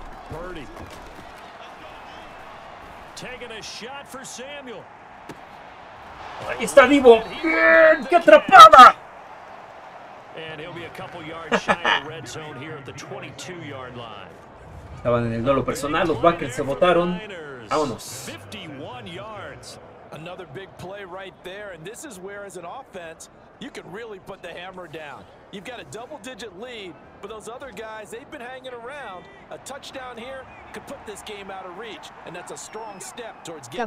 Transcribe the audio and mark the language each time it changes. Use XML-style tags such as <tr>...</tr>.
<en>Purdy. Taking a shot for Samuel.</en> <es>Ahí está vivo. Bien, ¡qué atrapada!</es> <en>And he'll be a couple yards shy of the red zone here at the 22-yard line.</en> <es>Estaban en el duelo personal, los Packers se votaron. Vámonos.</es> <en>51 yards. Another big play right there, and this is where as an offense, you can really put the hammer down. You've got a double digit lead, but those other guys, they've been hanging around. A touchdown here could put this game out of reach, and that's a strong step towards getting</en>